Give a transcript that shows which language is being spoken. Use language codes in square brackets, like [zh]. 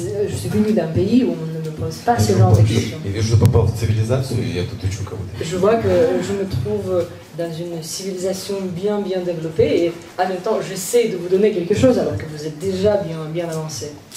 [fr] Je suis venu d'un pays où on ne pose pas ce genre de questions. [ru] Я вижу, что попал в цивилизацию, и я тут учу кого-то. [fr] Je vois que je me trouve dans une civilisation bien bien développée et en même temps j'essaie de vous donner quelque chose alors que vous êtes déjà bien bien avancé.